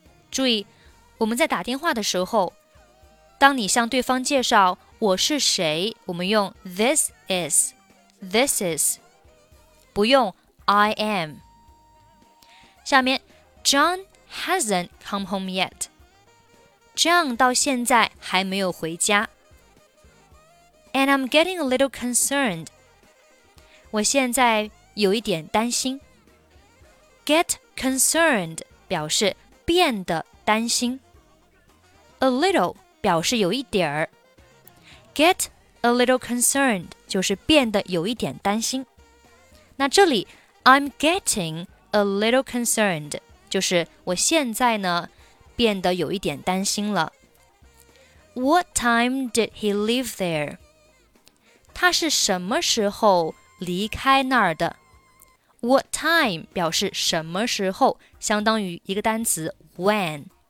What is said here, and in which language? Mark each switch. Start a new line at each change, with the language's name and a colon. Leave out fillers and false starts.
Chinese: 注意，我们在打电话的时候，当你向对方介绍我是谁，我们用 this is, 不用 I am.
English: 下面 John hasn't come home yet.
Chinese: John 到现在还没有回家。
English: And I'm getting a little concerned.
Chinese: 我现在有一点担心。 Get concerned 表示变得担心。 A little 表示有一点儿。
English: Get a little concerned
Chinese: 就是变得有一点担心。那这里 I'm getting a little concerned 就是我现在呢变得有一点担心了。
English: What time did he leave there?
Chinese: 他是什么时候离开那儿的? What time 表示什么时候相当于一个单词 when.